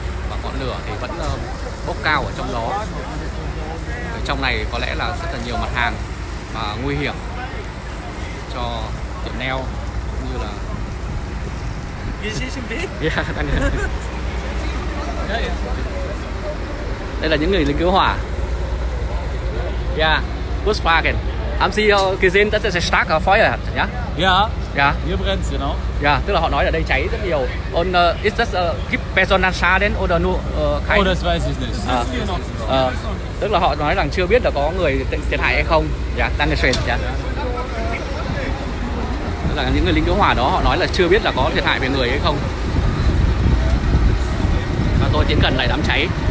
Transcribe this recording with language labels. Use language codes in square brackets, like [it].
[vi] Và ngọn lửa thì vẫn bốc cao ở trong đó. Ở trong này có lẽ là rất là nhiều mặt hàng mà nguy hiểm cho tiệm nail cũng như là đây là những người lính cứu hỏa. [en] Yeah, good fucking. [de] Haben Sie gesehen, dass es stark Feuer hat, ja? Ja. Ja. Hier brennt's, genau. [vi] Ja, tức là họ nói là đây cháy rất nhiều. [de] Und ist das gibt Personal Schaden oder nur kein? Oh, das weiß ich nicht. [vi] Tức là họ nói rằng chưa biết là có người thiệt hại hay không. Dạ, đang truyền dạ. Tức là những người lính cứu hỏa đó họ nói là chưa biết là có thiệt hại về người hay không. Và tôi tiến gần lại đám cháy.